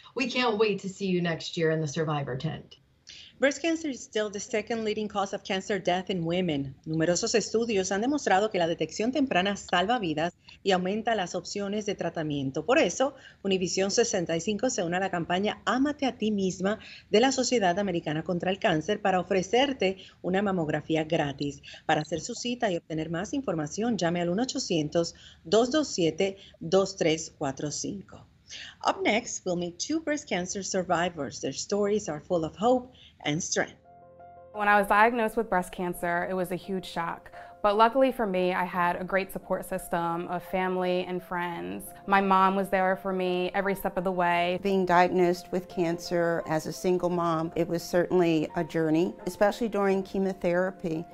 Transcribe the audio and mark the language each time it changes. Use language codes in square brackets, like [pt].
[en] We can't wait to see you next year in the survivor tent. Breast cancer is still the second leading cause of cancer death in women. [es] Numerosos estudios han demostrado que la detección temprana salva vidas y aumenta las opciones de tratamiento. Por eso, Univision 65 se une a la campaña Ámate a ti misma de la Sociedad Americana contra el Cáncer para ofrecerte una mamografía gratis. Para hacer su cita y obtener más información, llame al 1-800-227-2345. [en] Up next, we'll meet two breast cancer survivors. Their stories are full of hope and strength. When I was diagnosed with breast cancer, it was a huge shock. But luckily for me, I had a great support system of family and friends. My mom was there for me every step of the way. Being diagnosed with cancer as a single mom, it was certainly a journey, especially during chemotherapy.